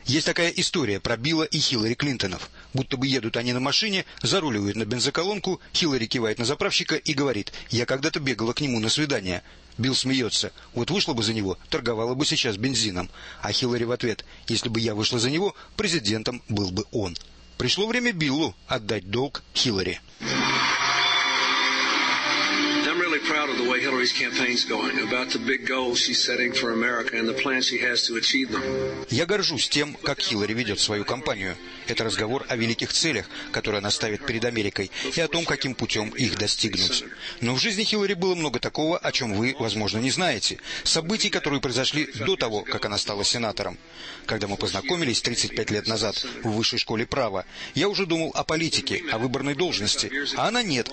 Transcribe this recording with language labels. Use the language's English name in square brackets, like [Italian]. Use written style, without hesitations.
[Russian] Есть такая история про Билла и Хиллари Клинтонов. Будто бы едут они на машине, заруливают на бензоколонку, Хиллари кивает на заправщика и говорит: «Я когда-то бегала к нему на свидание». Билл смеется: «Вот вышла бы за него, торговала бы сейчас бензином». А Хиллари в ответ: «Если бы я вышла за него, президентом был бы он». Пришло время Биллу отдать долг Хиллари. [English] Proud of the way Hillary's campaign's going, about the big goals she's setting for America and the plan she has to achieve them. [Russian] Я горжусь тем, как Хиллари ведет свою кампанию. Это разговор о великих целях, которые она ставит перед Америкой, и о том, каким путем их достигнуть. Но в жизни Хиллари было много такого, о чем вы, возможно, не знаете. Событий, которые произошли до того, как она стала сенатором. Когда мы познакомились 35 лет назад в высшей школе права, я уже думал о политике, о выборной должности. А она нет.